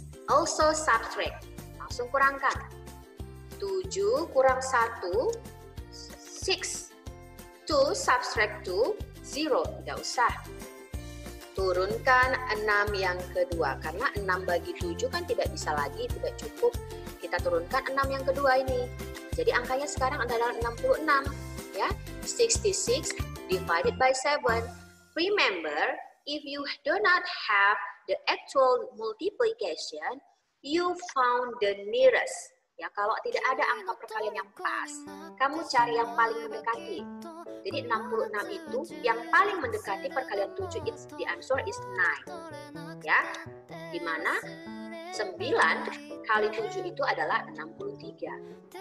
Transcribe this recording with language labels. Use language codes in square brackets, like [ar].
[en] Also subtract. [id] Langsung kurangkan. 7 kurang 1, 6. 2 subtract 2, 0, tidak usah. Turunkan 6 yang kedua, karena 6 bagi 7 kan tidak bisa lagi, tidak cukup. Kita turunkan 6 yang kedua ini. Jadi angkanya sekarang adalah 66, ya. [en] 66 divided by 7. Remember, if you do not have the actual multiplication, you found the nearest. [id] Ya, kalau tidak ada angka perkalian yang pas, kamu cari yang paling mendekati. Jadi 66 itu yang paling mendekati perkalian 7. [en] It's, the answer is 9. [id] Ya, di mana 9 kali 7 itu adalah 63.